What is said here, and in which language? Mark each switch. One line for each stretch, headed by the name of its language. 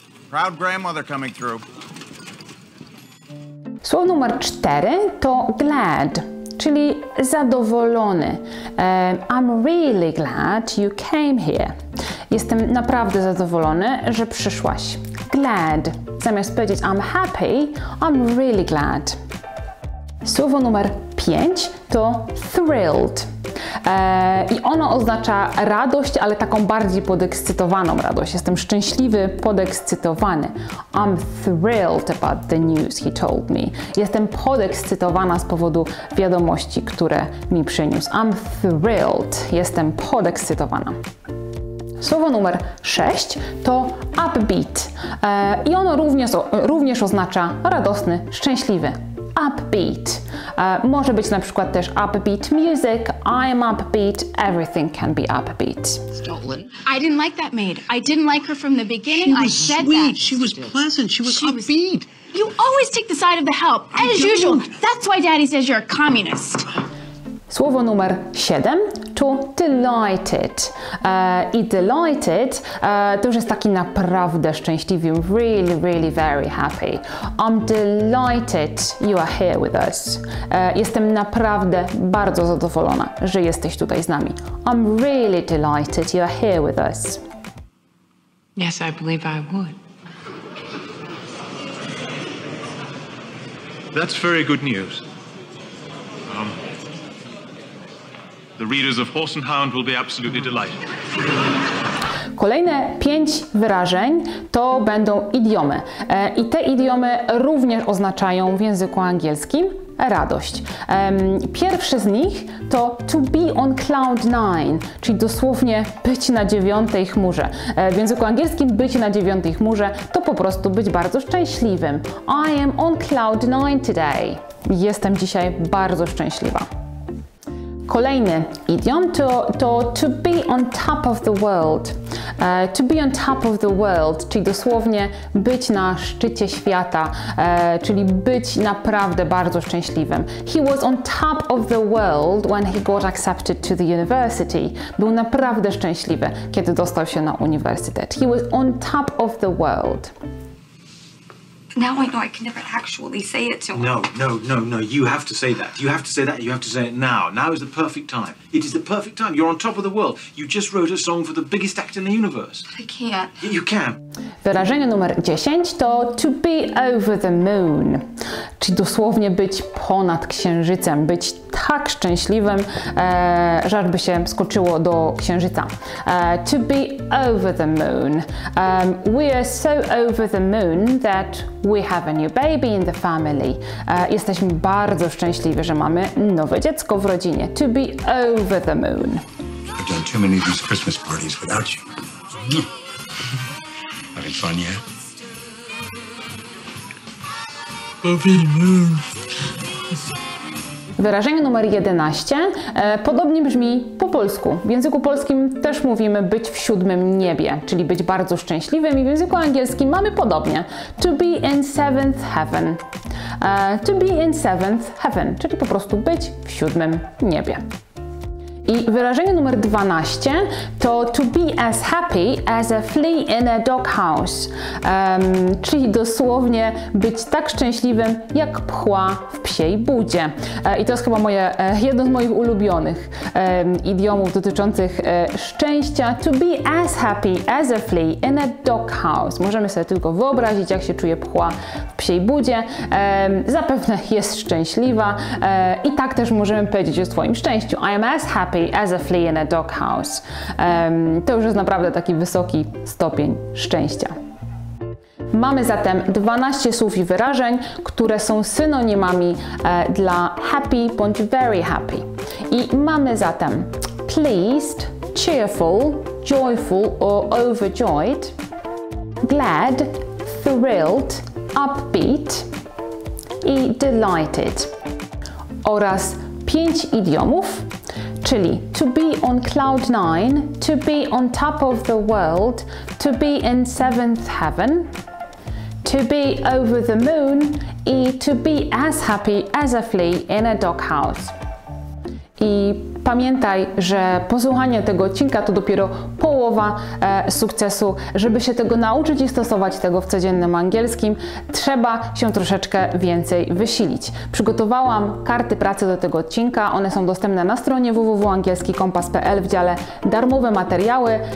English: Proud grandmother coming through.
Polish: Słowo numer 4 to glad, czyli zadowolony.
English: I'm really glad you came here.
Polish: Jestem naprawdę zadowolony, że przyszłaś.
English: Glad.
Polish: Zamiast powiedzieć
English: I'm happy, I'm really glad.
Polish: Słowo numer 5 to thrilled. I ono oznacza radość, ale taką bardziej podekscytowaną radość. Jestem szczęśliwy, podekscytowany.
English: I'm thrilled about the news he told me.
Polish: Jestem podekscytowana z powodu wiadomości, które mi przyniósł.
English: I'm thrilled.
Polish: Jestem podekscytowana. Słowo numer 6 to upbeat. I ono również oznacza radosny, szczęśliwy. Upbeat. Może być na przykład też upbeat music.
English: I'm upbeat. Everything can be upbeat. I didn't like that maid. I didn't like her from the beginning. She was said sweet. That. She was pleasant. She was she upbeat. Was... You always take the side of the help, as I usual. Don't. That's why daddy says you're a communist.
Polish: Słowo numer 7 to delighted. I delighted to już jest taki naprawdę szczęśliwy,
English: really, really very happy. I'm delighted you are here with us.
Polish: Jestem naprawdę bardzo zadowolona, że jesteś tutaj z nami.
English: I'm really delighted you are here with us. Yes, I believe I would. That's very good news. The readers of Horse and Hound will be absolutely delighted.
Polish: Kolejne 5 wyrażeń to będą idiomy. I te idiomy również oznaczają w języku angielskim radość. Pierwszy z nich to
English: to be on cloud nine,
Polish: czyli dosłownie być na 9 chmurze. W języku angielskim być na 9 chmurze to po prostu być bardzo szczęśliwym.
English: I am on cloud nine today.
Polish: Jestem dzisiaj bardzo szczęśliwa. Kolejny idiom
English: to be on top of the world. To be on top of the world,
Polish: czyli dosłownie być na szczycie świata, czyli być naprawdę bardzo szczęśliwym.
English: He was on top of the world when he got accepted to the university.
Polish: Był naprawdę szczęśliwy, kiedy dostał się na uniwersytet.
English: He was on top of the world. Now I know I can never actually say it to him. No, you have to say that. You have to say that. You have to say it now. Now is the perfect time. It is the perfect time. You're on top of the world. You just wrote a song for the biggest act in the universe. But I can't. You can.
Polish: Wyrażenie numer 10 to
English: to be over the moon.
Polish: Czyli dosłownie być ponad księżycem, być tak szczęśliwym, że aż by się skoczyło do księżyca.
English: To be over the moon. We are so over the moon that we have a new baby in the family.
Polish: Jesteśmy bardzo szczęśliwi, że mamy nowe dziecko w rodzinie.
English: To be over the moon. I've done too many of these Christmas parties without you. Having fun yet? Over the moon.
Polish: Wyrażenie numer 11 podobnie brzmi po polsku. W języku polskim też mówimy być w siódmym niebie, czyli być bardzo szczęśliwym, i w języku angielskim mamy podobnie.
English: To be in seventh heaven. To be in seventh heaven,
Polish: czyli po prostu być w siódmym niebie. I wyrażenie numer 12 to
English: to be as happy as a flea in a doghouse.
Polish: Czyli dosłownie być tak szczęśliwym jak pchła w psiej budzie. I to jest chyba jedno z moich ulubionych idiomów dotyczących szczęścia.
English: To be as happy as a flea in a doghouse.
Polish: Możemy sobie tylko wyobrazić, jak się czuje pchła w psiej budzie. Zapewne jest szczęśliwa. I tak też możemy powiedzieć o swoim szczęściu.
English: I am as happy as a flea in a doghouse.
Polish: To już jest naprawdę taki wysoki stopień szczęścia. Mamy zatem 12 słów i wyrażeń, które są synonimami dla happy bądź very happy. I mamy zatem pleased, cheerful, joyful or overjoyed, glad, thrilled, upbeat i delighted. Oraz 5 idiomów, czyli
English: to be on cloud nine, to be on top of the world, to be in seventh heaven, to be over the moon i to be as happy as a flea in a doghouse.
Polish: I pamiętaj, że posłuchanie tego odcinka to dopiero połowa sukcesu. Żeby się tego nauczyć i stosować tego w codziennym angielskim, trzeba się troszeczkę więcej wysilić. Przygotowałam karty pracy do tego odcinka. One są dostępne na stronie www.angielskikompas.pl w dziale Darmowe materiały.